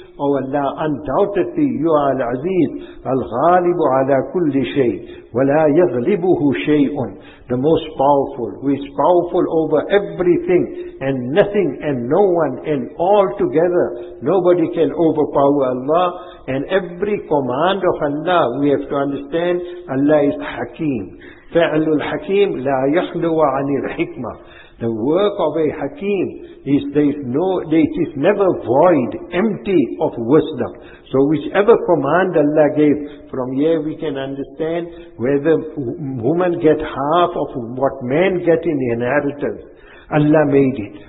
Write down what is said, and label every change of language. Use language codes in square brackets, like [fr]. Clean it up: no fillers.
[en] Oh Allah, undoubtedly you are al-aziz, [ar] al-ghalibu ala kulli shay, وَلَا يَغْلِبُهُ شَيْءٌ. [en] The most powerful, who is powerful over everything and nothing and no one and all together. Nobody can overpower Allah. And every command of Allah, we have to understand, Allah is Hakim. [ar] فعل الحكيم لا يخلو عن الحكمة. [en] The work of a Hakim is it is never void, empty of wisdom. So whichever command Allah gave, from here we can understand whether women get half of what men get in inheritance. Allah made it.